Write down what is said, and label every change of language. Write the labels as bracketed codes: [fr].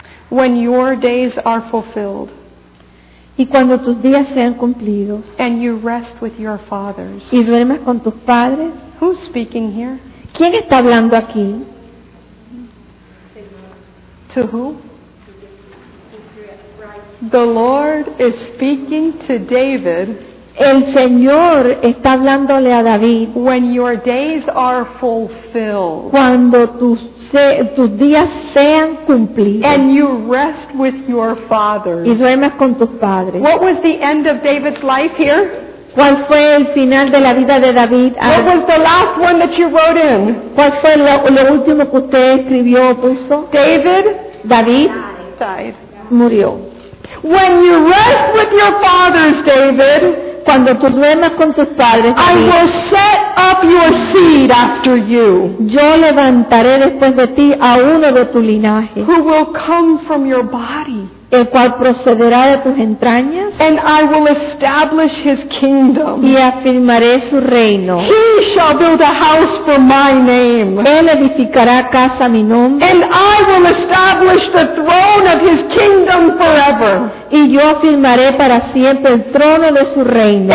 [en] When your days are fulfilled. [es] Y cuando tus días sean cumplidos. [en] And you rest with your fathers. [es] Y duermes con tus padres. [en] Who's speaking here? [es] ¿Quién está hablando aquí? [en] To who? The Lord is speaking to David. [es] El Señor está hablándole a David. [en] When your days are fulfilled. [es] Cuando tus días sean cumplidos. [en] And you rest with your fathers. [es] Y duermes con tus padres. [en] What was the end of David's life here? [es] ¿Cuál fue el final de la vida de David? [en] What was the last one that you wrote in? [es] ¿Cuál fue lo último que usted escribió o puso? [en] David died. Murió. When you rest with your fathers, David. [es] Cuando tú duermas con tus padres, David, [en] I will set up your seed after you. [es] Yo levantaré después de ti a uno de tu linaje. [en] Who will come from your body. [es] El cual procederá de tus entrañas. [en] And I will establish his kingdom. [es] Y afirmaré su reino. [en] He shall build a house for my name. [es] Él edificará casa a mi nombre. [en] And I will establish the throne of his kingdom forever. [es] Y yo afirmaré para siempre el trono de su reino.